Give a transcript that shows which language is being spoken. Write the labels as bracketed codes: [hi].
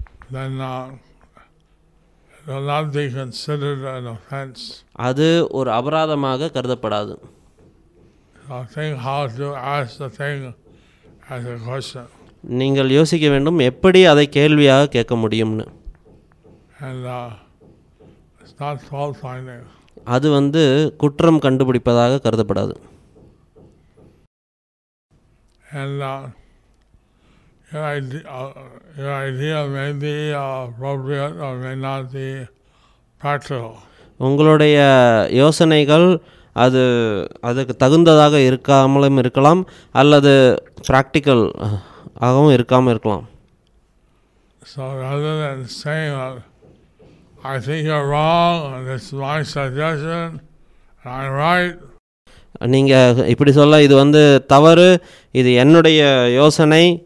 [en] Then it will not be considered an offense. [ta] Adu or abaradamaga karudapadadu. [en] Think how to ask the thing as a question. [ta] நீங்கள் யோசிக்க வேண்டும் எப்படி அதை கேள்வியாக கேட்க முடியும்னு. [en] And it's not fault finding. [ta] அது வந்து குற்றம் கண்டுபிடிப்பதாக கருதப்படாது. [en] And your idea may be appropriate or may not be practical. [ta] உங்களுடைய யோசனைகள் அது அதுக்கு தகுந்ததாக இருக்காமலும் இருக்கலாம் அல்லது பிராக்டிக்கல் ஆகவும் இருக்காமல் இருக்கலாம். [en] So rather than saying I think you're wrong, this is my suggestion, I'm right. [ta] நீங்கள் இப்படி சொல்ல இது வந்து தவறு இது என்னுடைய யோசனை.